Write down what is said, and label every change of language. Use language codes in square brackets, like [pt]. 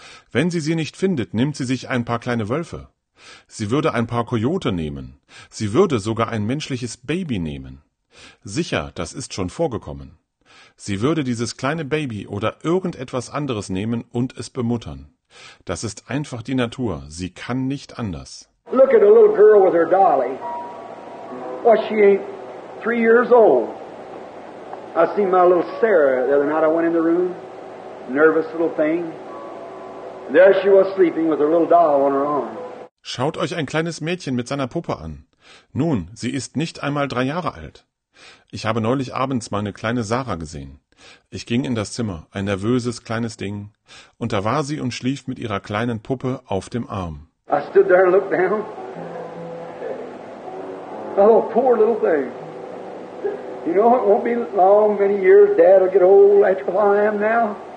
[de] Wenn sie sie nicht findet, nimmt sie sich ein paar kleine Wölfe. Sie würde ein paar Kojote nehmen. Sie würde sogar ein menschliches Baby nehmen. Sicher, das ist schon vorgekommen. Sie würde dieses kleine Baby oder irgendetwas anderes nehmen und es bemuttern. Das ist einfach die Natur. Sie kann nicht anders. [en] Look at a little girl with her dolly. Well, she ain't 3 years old. I seen my little Sarah the other night. I went in the room. Nervous little thing. There she was sleeping with her little doll on her arm. [de] Schaut euch ein kleines Mädchen mit seiner Puppe an. Nun, sie ist nicht einmal 3 Jahre alt. Ich habe neulich abends meine kleine Sarah gesehen. Ich ging in das Zimmer, ein nervöses kleines Ding, und da war sie und schlief mit ihrer kleinen Puppe auf dem Arm. [en] I stood there and looked down. Oh, poor little thing. You know, it won't be long, many years, Dad will get old, that's what I am now.